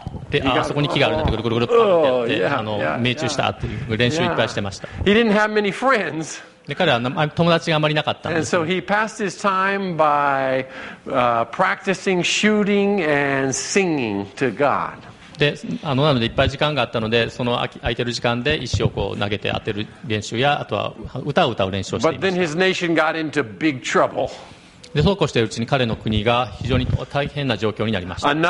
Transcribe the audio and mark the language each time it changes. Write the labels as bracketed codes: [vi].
[ja] で、あそこに木があるなって、ぐるぐるぐるってやって、命中したっていう練習をいっぱいしてました。 [en] He didn't have many friends. [ja] で、彼は友達があまりなかったんです。 [en] And so he passed his time by practicing shooting and singing to God. [ja] で、なのでいっぱい時間があったので、その空いてる時間で石をこう投げて当てる練習や、あとは歌を歌う練習をしていました。 [en] But then his nation got into big trouble. [ja] でそうこうしているうちに彼の国が非常に大変な状況になりました。